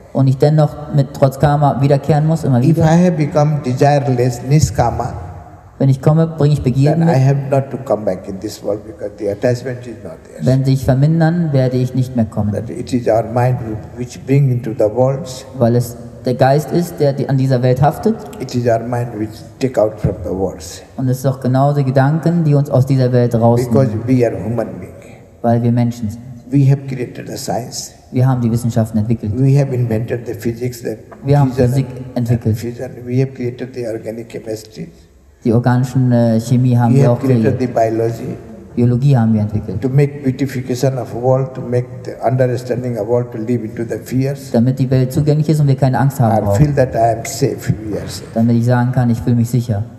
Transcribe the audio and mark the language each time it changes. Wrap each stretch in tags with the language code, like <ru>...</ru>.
<de>Und ich dennoch mit trotz Karma wiederkehren muss, immer wieder.</de> <en>If I have become desireless, niskama,</en> <de>wenn ich komme, bringe ich Begierden mit.</de> <en>I have not to come back in this world because the attachment is not there.</en> <de>Wenn sich vermindern, werde ich nicht mehr kommen.</de> <en>That it is our mind which bring into the world.</en> <de>Weil es der Geist ist, der an dieser Welt haftet.</de> <en>It is our mind which take out from the world.</en> <de>Und es ist auch genau die Gedanken, die uns aus dieser Welt rausnehmen.</de> <en>Because we are human being.</en> <de>Weil wir Menschen sind.</de> <en>We have created the science.</en> <de>Wir haben die Wissenschaften entwickelt.</de> <en>We have invented the physics, the</en> <de>wir haben Physik entwickelt.</de> <en>We have created the organic chemistry.</en> <de>Die organischen Chemie haben</de> <en>we</en> <de>wir auch</de> <en>created the biology.</en> <de>Biologie haben wir entwickelt.</de> <en>To make beautification of world, to make the understanding of world, to live into the fears.</en> <de>Damit die Welt zugänglich ist und wir keine Angst haben.</de> <en>I feel that I am safe here.</en> <de>Damit ich sagen kann, ich fühle mich sicher.</de>